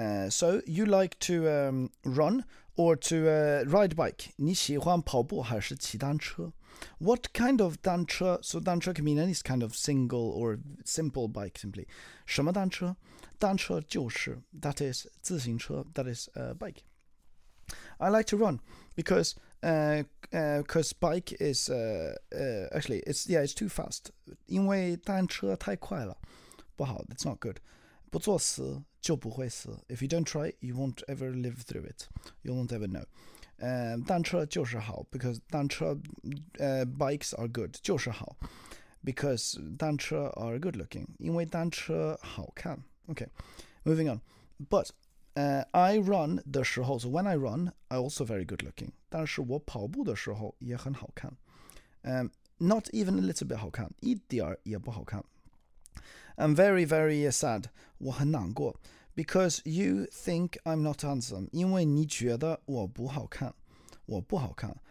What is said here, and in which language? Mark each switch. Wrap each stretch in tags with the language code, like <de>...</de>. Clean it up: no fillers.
<en>So you like to run or to ride bike?</en> <zh>你喜欢跑步还是骑单车？</zh> <en>What kind of 单车？So 单车 can mean any kind of single or simple bike simply.</en> <zh>什么单车？单车就是</zh> <en>that is 自行车 that is a bike. I like to run because cause bike is actually it's yeah it's too fast.</en> <zh>因为单车太快了，不好</zh> <en>that's not good.</en> <zh>不作死就不会死。</zh> <en>If you don't try, you won't ever live through it. You won't ever know. 单车</en> <zh>就是好，</zh> <en>because 单车bikes are good 就是好，because 单车 are good looking</en> <zh>因为单车好看。</zh> <en>Okay, moving on. But I run</en> <zh>的时候，</zh> <en>so when I run, I also very good looking.</en> <zh>但是我跑步的时候也很好看。</zh> <en>Not even a little bit 好看，</en> <zh>一点儿也不好看。</zh> <en>I'm very, very sad.</en> <zh>我很难过。</zh> <en>Because you think I'm not handsome.</en> <zh>因为你觉得我不好看。我不好看。</zh>